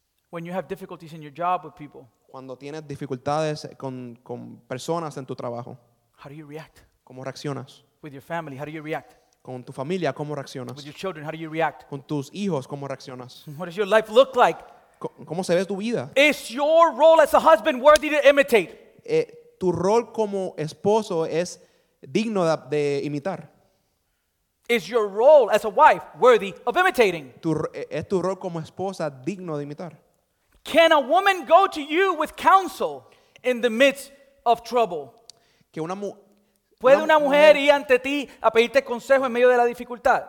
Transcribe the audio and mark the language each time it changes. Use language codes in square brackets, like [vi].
[en] When you have difficulties in your job with people. [es] Cuando tienes dificultades con personas en tu trabajo. [en] How do you react? [es] ¿Cómo reaccionas? [en] With your family, how do you react? [es] Con tu familia, ¿cómo reaccionas? [en] With your children, how do you react? [es] Con tus hijos, ¿cómo reaccionas? [en] What does your life look like? [es] ¿Cómo se ve tu vida? [en] Is your role as a husband worthy to imitate? [es] ¿Tu rol como esposo es digno de imitar? [en] Is your role as a wife worthy of imitating? [es] ¿Es tu rol como esposa digno de imitar? [en] Can a woman go to you with counsel in the midst of trouble? [es] Que una ¿Puede una mujer ir ante ti a pedirte consejo en medio de la dificultad?